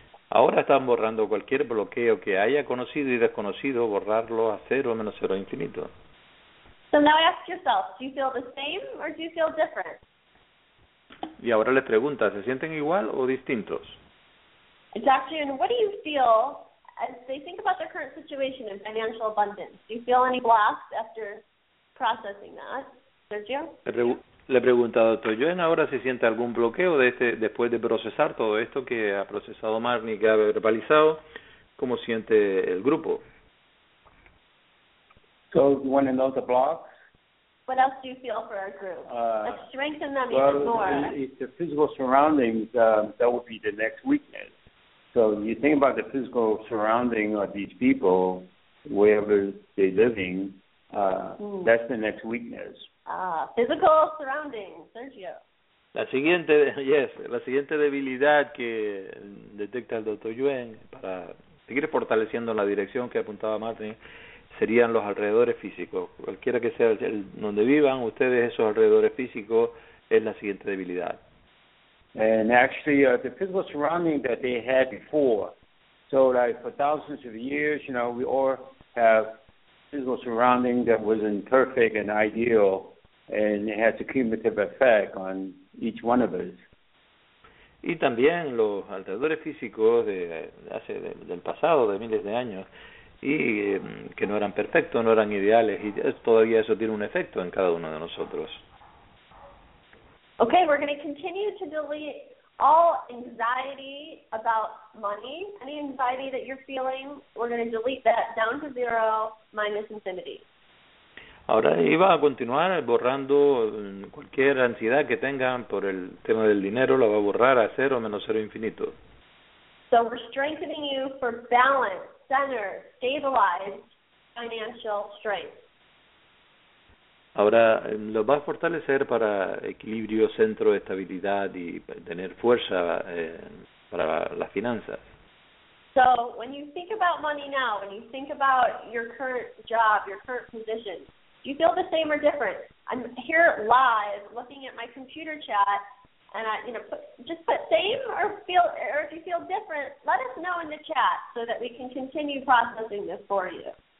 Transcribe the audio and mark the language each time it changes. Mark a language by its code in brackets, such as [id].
[es] Ahora están borrando cualquier bloqueo que haya conocido y desconocido, borrarlo a cero, menos cero, infinito. [en] So now ask yourself, do you feel the same or do you feel different? [es] Y ahora les pregunta, ¿se sienten igual o distintos? [en] Exactly, and what do you feel as they think about their current situation and financial abundance? Do you feel any blocks after processing that, Sergio? [es] Le pregunta a Dr. Joen ahora si siente algún bloqueo de este después de procesar todo esto que ha procesado Marnie, que ha verbalizado, ¿cómo siente el grupo? [en] So, you want to know the blocks? What else do you feel for our group? Let's strengthen them even more. Well, it's the physical surroundings, that would be the next weakness. So, you think about the physical surrounding of these people, wherever they're living, that's the next weakness. Physical surrounding, Sergio. [es] La siguiente debilidad que detecta el Dr. Yuen para seguir fortaleciendo la dirección que apuntaba Martin serían los alrededores físicos. Cualquiera que sea el donde vivan ustedes, esos alrededores físicos es la siguiente debilidad. [en] And actually, the physical surrounding that they had before. So, like for thousands of years, you know, we all have physical surrounding that wasn't perfect and ideal. And it has a cumulative effect on each one of us. [es] Y también los alrededores físicos del pasado, de miles de años, y que no eran perfectos, no eran ideales, y todavía eso tiene un efecto en cada uno de nosotros. [en] Okay, we're going to continue to delete all anxiety about money. Any anxiety that you're feeling, we're going to delete that down to zero, minus infinity. [es] Ahora iba a continuar borrando cualquier ansiedad que tengan por el tema del dinero, lo va a borrar a cero, menos cero, infinito. [en] So we're strengthening you for balance, center, stabilized financial strength. [es] Ahora lo va a fortalecer para equilibrio, centro, estabilidad y tener fuerza para las finanzas. [en] So when you think about money now, when you think about your current job, your current position, do you feel the same or different? I'm here live, looking at my computer chat, and I, you know, put same or if you feel different, let us know in the chat so that we can continue processing this for you.